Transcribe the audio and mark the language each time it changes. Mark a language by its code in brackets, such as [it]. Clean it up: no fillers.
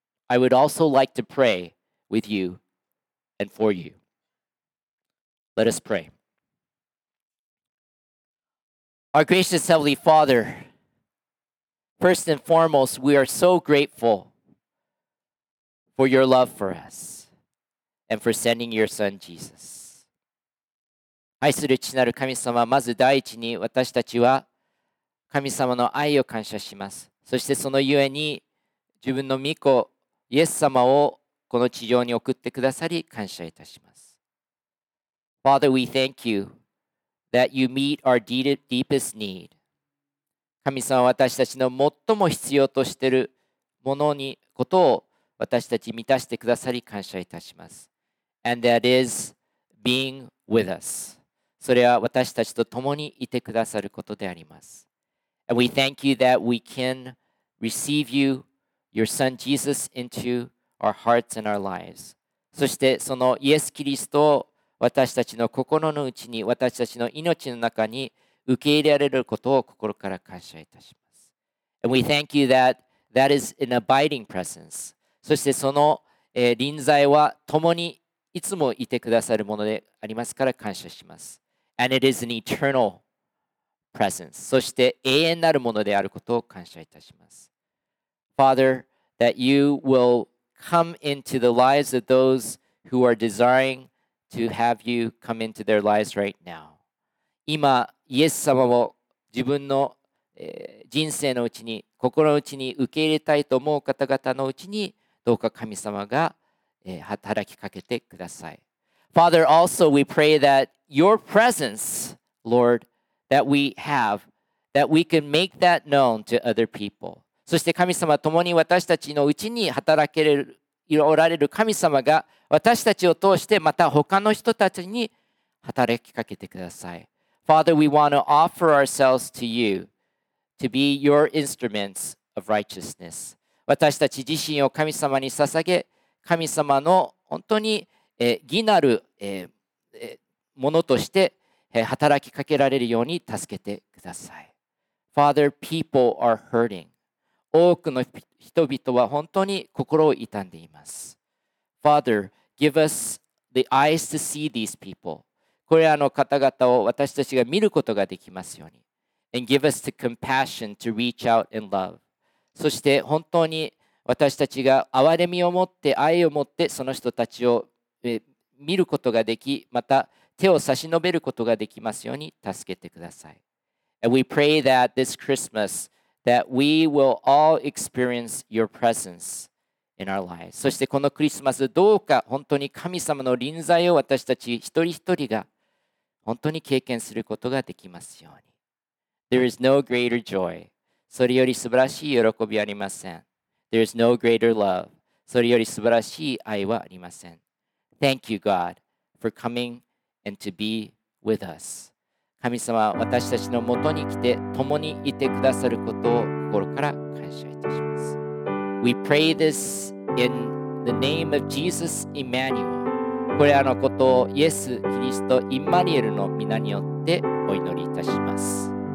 [en] I would also like to pray with you and for you. Let us pray. Our gracious Heavenly Father, first and foremost, we are so grateful for your love for us and for sending your Son, Jesus. [ja] 愛する父なる神様、まず第一に私たちは神様の愛を感謝します。そしてそのゆえに自分の御子、イエス様をこの地上に送ってくださり感謝いたします。 [en] Father, we thank you that you meet our deepest need. [ja] 神様は私たちの最も必要としているものにことを私たち満たしてくださり感謝いたします。 [en] And that is being with us. [ja] それは私たちと共にいてくださることであります。 [en] And we thank you that we can receive you, your Son Jesus, into our hearts and our lives. [ja] そしてそのイエス・キリストを私たちの心の内に、私たちの命の中に受け入れられることを心から感謝いたします。 [en] And we thank you that that is an abiding presence. [ja] そしてその臨在は共にいつもいてくださるものでありますから感謝します。 [en] And it is an eternal presence. [ja] そして永遠なるものであることを感謝いたします。 [en] Father, that you will come into the lives of those who are desiring to have you come into their lives right now. [ja] 今、イエス様を自分の人生のうちに、心のうちに受け入れたいと思う方々のうちに、どうか神様が働きかけてください。 [en] Father, also we pray that your presence, Lord, that we have, that we can make that known to other people. [ja] そして神様、共に私たちのうちに働けるおられる神様が私たちを通してまた他の人たちに働きかけてください。 [en] Father, we want to offer ourselves to you to be your instruments of righteousness. [ja] 私たち自身を神様に捧げ、神様の本当に義なるものとして働きかけられるように助けてください。 [en] Father, people are hurting. [ja] 多くの人々は本当に心を痛んでいます。 [en] Father, give us the eyes to see these people. [ja] これらの方々を私たちが見ることができますように。 [en] And give us the compassion to reach out in love. [ja] そして本当に私たちが憐れみを持って愛を持ってその人たちを見ることができ、また手を差し伸べることができますように助けてください。 [en] And we pray that this Christmas that we will all experience your presence in our lives. [ja] そしてこのクリスマスどうか本当に神様の臨在を私たち一人一人が本当に経験することができますように。 [en] There is no greater joy. [ja] それより素晴らしい喜びはありません。 [en] There is no greater love. [ja] それより素晴らしい愛はありません。 [en] Thank you, God, for coming and to be with us. [ja] 神様、私たちのもとに来て、共にいてくださることを心から感謝いたします。 [en] We pray this in the name of Jesus Emmanuel. [ja] これらのことをイエス・キリスト・インマニュエルの御名によってお祈りいたします。